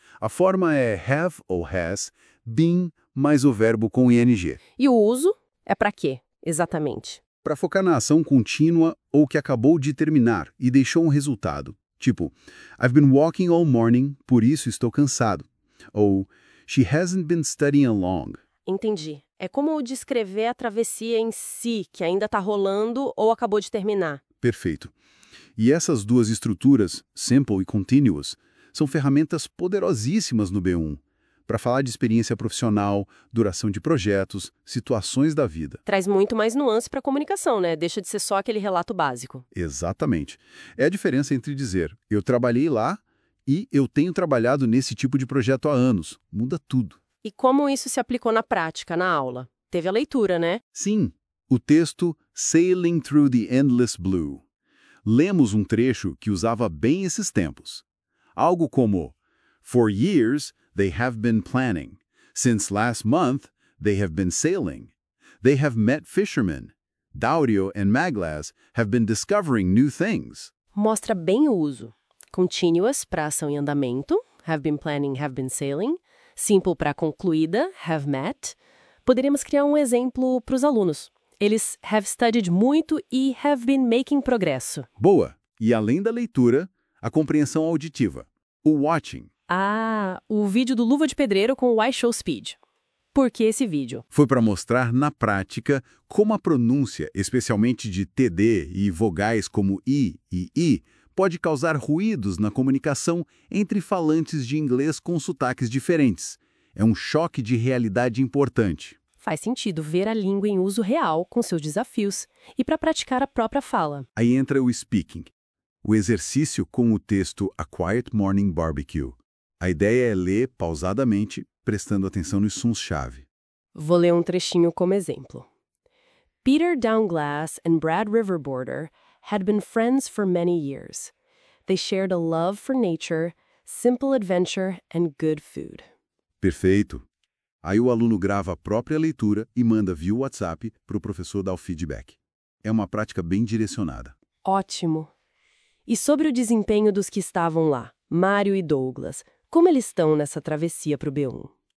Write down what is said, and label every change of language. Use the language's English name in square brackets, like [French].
[Portuguese] A forma é have ou has, been, mais o verbo com ing. E o uso é para quê, exatamente? Para focar na ação contínua ou que acabou de terminar e deixou um resultado. Tipo, [English] I've been walking all morning, [Portuguese] por isso estou cansado. ou [English] she hasn't been studying along. [Portuguese] Entendi. É como descrever a travessia em si, que ainda está rolando ou acabou de terminar. Perfeito. E essas duas estruturas, simple e continuous, são ferramentas poderosíssimas no B1, para falar de experiência profissional, duração de projetos, situações da vida. Traz muito mais nuance para a comunicação, né? Deixa de ser só aquele relato básico. Exatamente. É a diferença entre dizer, eu trabalhei lá e eu tenho trabalhado nesse tipo de projeto há anos. Muda tudo. E como isso se aplicou na prática, na aula? Teve a leitura, né? Sim. O texto Sailing Through the Endless Blue. Lemos um trecho que usava bem esses tempos. Algo como, [English] for years, they have been planning. Since last month, they have been sailing. They have met fishermen. Daurio and Maglas have been discovering new things. [Portuguese] Mostra bem o uso. Continuous, para ação em andamento. [English] Have been planning, have been sailing. [Portuguese] Simple para concluída, [English] have met. [Portuguese] Poderíamos criar um exemplo para os alunos. Eles [English] have studied [Portuguese] muito e [English] have been making [Portuguese] progresso. Boa. E além da leitura, a compreensão auditiva. O watching. Ah, o vídeo do Luva de Pedreiro com o I Show Speed. Por que esse vídeo? Foi para mostrar na prática como a pronúncia, especialmente de TD e vogais como I e I, pode causar ruídos na comunicação entre falantes de inglês com sotaques diferentes. É um choque de realidade importante. Faz sentido ver a língua em uso real, com seus desafios, e para praticar a própria fala. Aí entra o speaking, o exercício com o texto A Quiet Morning Barbecue. A ideia é ler pausadamente, prestando atenção nos sons-chave. Vou ler um trechinho como exemplo. [English] Peter Downglass and Brad Riverboarder had been friends for many years. They shared a love for nature, simple adventure, and good food. [Portuguese] Perfeito. Aí o aluno grava a própria leitura e manda via WhatsApp para o professor dar o feedback. É uma prática bem direcionada. Ótimo. E sobre o desempenho dos que estavam lá, Mário e Douglas, como eles estão nessa travessia para o B1?